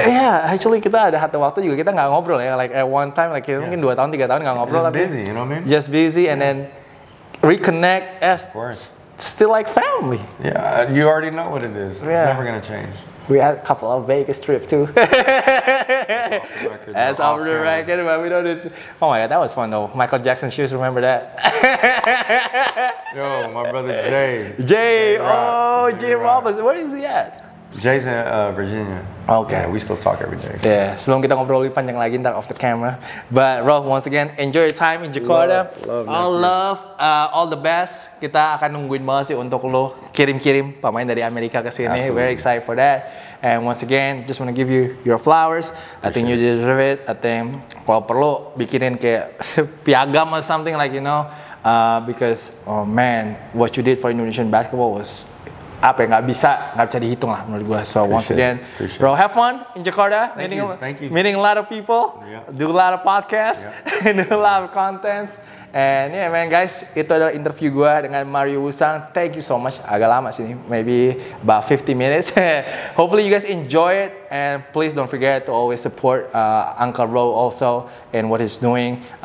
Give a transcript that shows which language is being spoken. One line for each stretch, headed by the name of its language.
English: Yeah, actually
Indonesian: kita ada hati waktu juga kita nggak ngobrol ya.
English: Like at one time, like
Indonesian: mungkin 2 tahun 3 tahun nggak ngobrol.
English: Just busy, you know what I mean? Just busy and then reconnect as still like family. Yeah, you already know what it is. Yeah. It's never gonna change. We had a couple of Vegas trip too. That's off the record, but we don't need to. Oh my god, that was fun though. Michael Jackson shoes, remember that? Yo, my brother Jay. Jay Roberts. Where is he at? Jay's in Virginia. Okay. Yeah, we still talk every day. So. Yeah,
Indonesian: sebelum kita ngobrol lebih panjang lagi ntar
English: off the camera. But Rob, once again, enjoy your time in Jakarta. All the best.
Indonesian: Kita akan nungguin banget sih untuk lo kirim-kirim pemain dari Amerika ke sini.
English: Very excited for that. And once again, just want to give you your flowers. Appreciate. I think you deserve it. I think
Indonesian: kalau perlu bikinin kayak piagam
English: or something like, you know, because oh man, what you did for Indonesian basketball was
Indonesian: apa yang nggak bisa dihitung lah menurut gua.
English: So once again, bro, have fun in Jakarta. Thank you. Meeting a lot of people, do a lot of podcast, do a lot of contents. And yeah man, guys,
Indonesian: itu adalah interview gua dengan Mario Wuysang.
English: Thank you so much.
Indonesian: Agak lama sih,
English: maybe about 50 minutes. Hopefully you guys enjoy it, and please don't forget to always support Uncle Roe also and what he's doing.